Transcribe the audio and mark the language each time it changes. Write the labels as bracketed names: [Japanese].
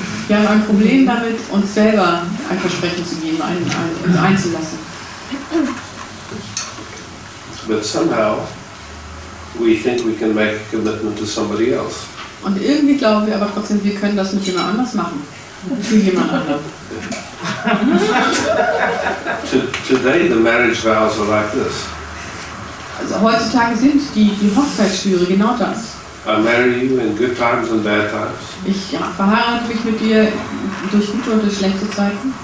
[German] Wir haben ein Problem damit, uns selber ein Versprechen zu geben, uns einzulassen. [English] But somehow we think we can make a commitment to somebody else. [German] Und irgendwie glauben wir aber trotzdem, wir können das mit jemand anders machen. Für jemand anderes. [English] Today the marriage vows are like this. [German] Also heutzutage sind die Hochzeitsschwüre genau das. [English] I marry you in good times and bad times. [German] Ich verheirate mich mit dir durch gute und durch schlechte Zeiten.